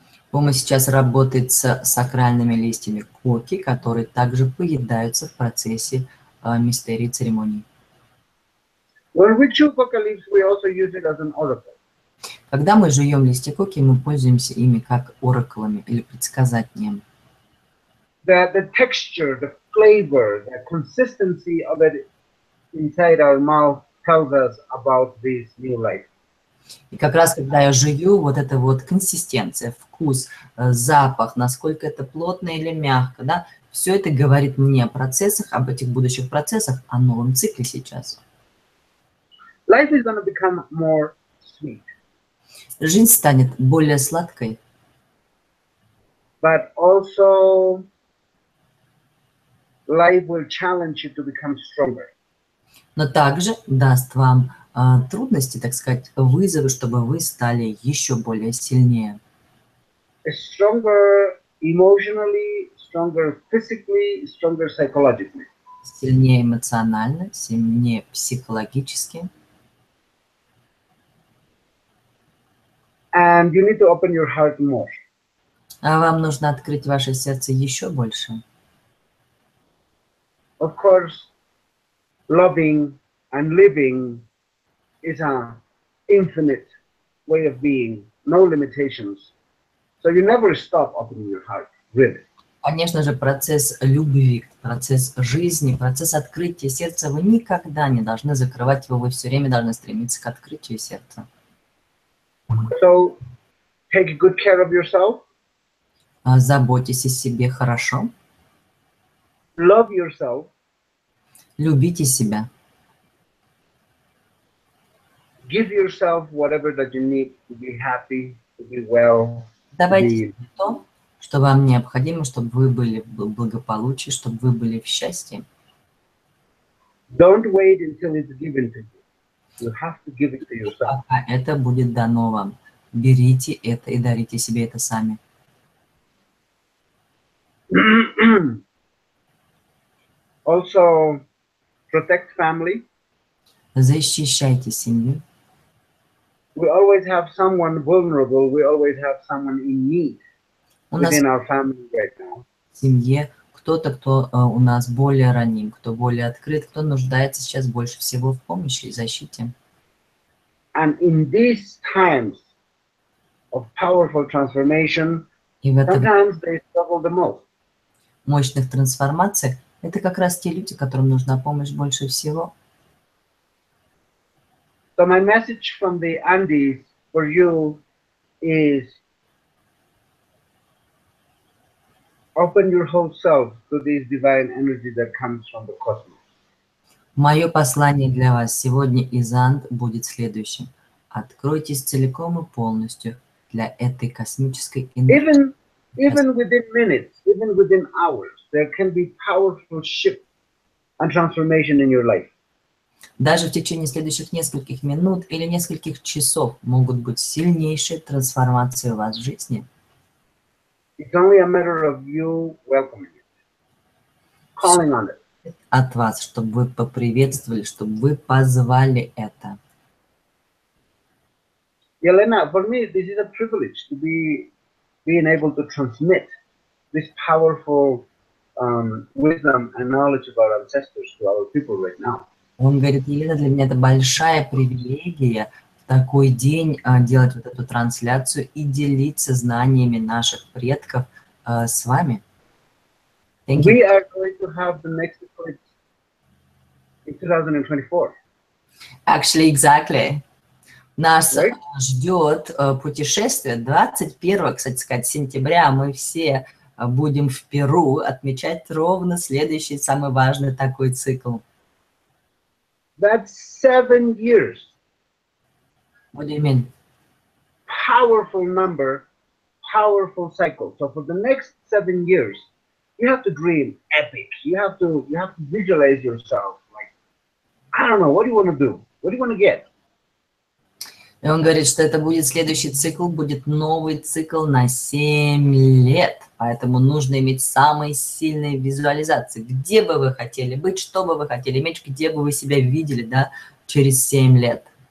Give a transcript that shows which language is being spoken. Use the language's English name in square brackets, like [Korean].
[Russian] Пума сейчас работает с сакральными листьями коки, которые также поедаются в процессе мистерии церемонии. [English] When we chew coca leaves, we also use it as an oracle. [Russian] Когда мы жуем листья коки, мы пользуемся ими как оракулами или предсказанием. [English] The texture, the flavor, the consistency of it inside our mouth tells us about this new life. [Russian] И как раз когда я жую, вот эта вот консистенция, вкус, запах, насколько это плотно или мягко, да, все это говорит мне о процессах, об этих будущих процессах, о новом цикле сейчас. [English] Life is going to become more sweet. [Russian] Жизнь станет более сладкой. [English] But also life will challenge you to become stronger. [Russian] Но также даст вам трудности, так сказать, вызовы, чтобы вы стали еще более сильнее. [English] Stronger emotionally, stronger physically, stronger psychologically. [Russian] Сильнее эмоционально, сильнее психологически. [English] And you need to open your heart more. [Russian] А вам нужно открыть ваше сердце еще больше. [English] Of course, loving and living is an infinite way of being, no limitations. So you never stop opening your heart, really. [Russian] Конечно же, процесс любви, процесс жизни, процесс открытия сердца, вы никогда не должны закрывать его, вы все время должны стремиться к открытию сердца. [English] So, take good care of yourself. [Russian] Заботьтесь о себе хорошо. [English] Love yourself. [Russian] Любите себя. [English] Give yourself whatever that you need to be happy, to be well. [Russian] Давайте то, что вам необходимо, чтобы вы были в благополучии, чтобы вы были в счастье. [English] Don't wait until it's given to you. You have to give it to yourself. [Russian] Пока это будет дано вам. Берите это и дарите себе это сами. [English] Also, protect family. [Russian] Защищайте семью. [English] We always have someone vulnerable, we always have someone in need within our family right now. [Russian] В семье кто-то, кто у нас более раним, кто более открыт, кто нуждается сейчас больше всего в помощи и защите. [English] And in these times of powerful transformation, sometimes they struggle the most. [Russian] Мощных трансформаций, это как раз те люди, которым нужна помощь больше всего. [English] So my message from the Andes for you is open your whole self to this divine energy that comes from the cosmos. [Russian] Мое послание для вас сегодня из Анд будет следующим. Откройтесь целиком и полностью для этой космической энергии. [English] Even within minutes, even within hours, there can be powerful shift and transformation in your life. [Russian] Даже в течение следующих нескольких минут или нескольких часов могут быть сильнейшие трансформации у вас в жизни. [English] It's only a matter of you welcoming it, calling on it. [Russian] От вас, чтобы вы поприветствовали, чтобы вы позвали это. [English] Елена, for me, this is a privilege to be being able to transmit this powerful wisdom and knowledge of our ancestors to our people right now. [Russian] Он говорит, Елена, для меня это большая привилегия в такой день делать вот эту трансляцию и делиться знаниями наших предков с вами. [English] Thank you. We are going to have the next eclipse in 2024. Actually, exactly. [Russian] Нас [English] right? [Russian] ждет путешествие 21, кстати сказать, сентября. Мы все будем в Перу отмечать ровно следующий самый важный такой цикл. [English] That's 7 years. What do you mean? Powerful number, powerful cycle. So for the next 7 years, you have to dream epic. You have to visualize yourself. Like, I don't know, what do you want to do? What do you want to get? [Russian] И он говорит, что это будет следующий цикл, будет новый цикл на 7 лет. Поэтому нужно иметь самые сильные визуализации. Где бы вы хотели быть, что бы вы хотели иметь, где бы вы себя видели, да, через 7 лет.